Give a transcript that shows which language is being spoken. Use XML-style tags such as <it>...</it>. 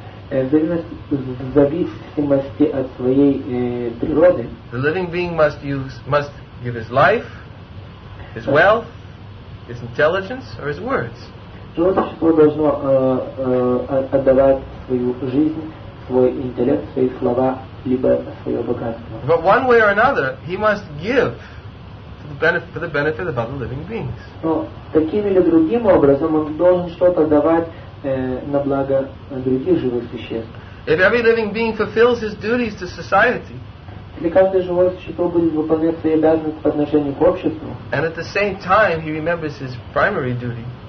<ru>В зависимости от своей природы.</ru> <en>The living being must give his life, his wealth, his intelligence, or his words.</en> <ru>Живое существо должно отдавать свою жизнь, свой интеллект, свои слова, либо свое богатство.</ru> <en>But one way or another, he must give for the benefit of other living beings.</en> <ru>Но таким или другим образом он должен что-то давать на благо других живых существ.</ru> <en>If every living being fulfills his duties to society,</en> <ru>если каждое живое существо будет выполнять свои обязанности по отношению к обществу,</ru> <en>and at the same time he remembers his primary duty,</en>